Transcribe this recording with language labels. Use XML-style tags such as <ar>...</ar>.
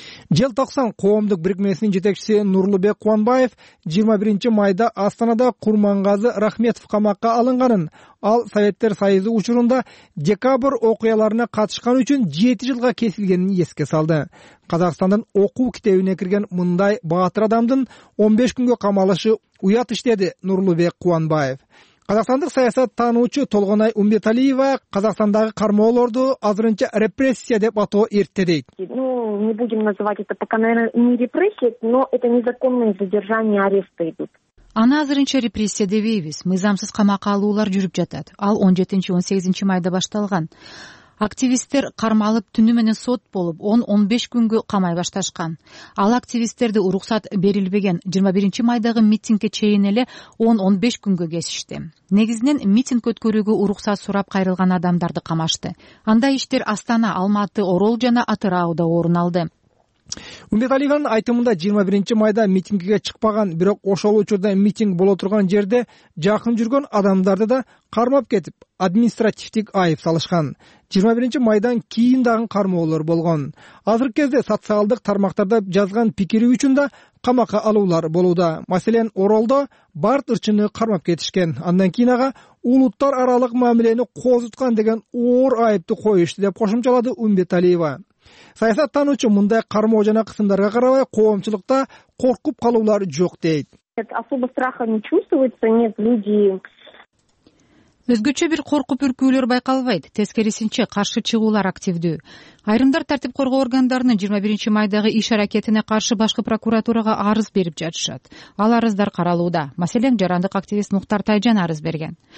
<ky>Жыл 90 коомдук бирикмесинин жетекчиси Нурлубек Кубанбаев 21 майда Астанада Курмангазы Рахметов камакка алынганын, ал Советтер Союзу учурунда декабр окуяларына катышкан үчүн 7 жылга кесилгенин эске салды. Казакстандын окуу китебине кирген мындай баатыр адамдын 15 күнгө камалышы уят иштеди Нурлубек Кубанбаев. Казакстандык саясат таануучу Толгонай Умбеталиева Казакстандагы кармоолорду азырынча репрессия деп атоо эрте дейт.</ky> <ru>Ну, не будем называть это пока, наверное, не репрессия, но это незаконные задержания, аресты идут.</ru> <ky>Аны азырынча репрессия дебейбиз. Мыйзамсыз камакка алуулар жүрүп жатат. Ал 17-18 майда башталган. Активисттер кармалып түнү менен сот болуп 10-15 күнгө камай башташкан. Ал активисттерди уруксат берилбеген 21 майдагы митингге чейин эле 10-15 күнгө кесишти. Негизинен митинг өткөрүүгө уруксат сурап кайрылган адамдарды камашты. Андай иштер Астана, Алматы, Орол жана Атырауда орун алды. Умбеталиеванын айтымында 21 майда митингге чыкпаган, бирок ошол учурда митинг боло турган жерде жакын жүргөн адамдарды да кармап кетип, административдик айып салышкан. 21 майдан кийин дагы кармоолор болгон. Азыркы кезде социалдык тармактарда жазган пикири үчүн да камакка алуулар болууда. Маселен, Оролдо Барт ырчыны кармап кетишкен. Андан кийин ага улуттар аралык мамилени козуткан деген оор айыпты коюшту деп кошумчалады Умбеталиева. Саясат таануучу мындай кармоо жана кысымдарга карабай коомчулукта коркуп калуулар жок дейт.</ky> <ru>Особо страха не чувствуется, нет, люди.</ru> <ky>Өзгөчө бир коркуп үркүүлөр байкалбайт. Тескерисинче, каршы чыгуулар активдүү. Айрымдар тартип коргоо органдарынын 21 майдагы иш аракетине каршы башкы прокуратурага арыз берип жатышат. Ал арыздар каралууда. Маселен, жарандык активист Муктар Тайжан арыз берген.</ky>